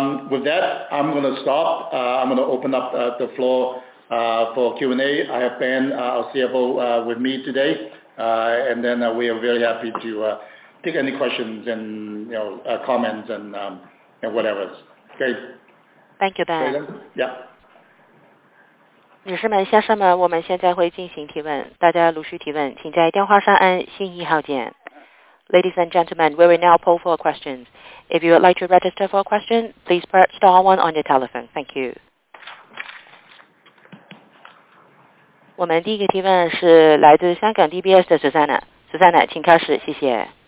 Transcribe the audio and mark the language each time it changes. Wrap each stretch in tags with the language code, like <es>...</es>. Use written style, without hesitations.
<en>With that, I'm going to stop. I'm going to open up the floor for Q&A. I have Ben, our CFO, with me today, and then we are very happy to take any questions and comments and whatever. Okay. Thank you, Ben. Yeah.</en> <zh>女士们、先生们，我们现在会进行提问，大家陆续提问，请在电话上按信一号键。</zh> <en>Ladies and gentlemen, we will now poll for questions. If you would like to register for a question, please press star one on your telephone. Thank you.</en> <zh>我们第一个提问是来自香港 DBS 的 Susanna。 Susanna, 请开始，谢谢。</zh>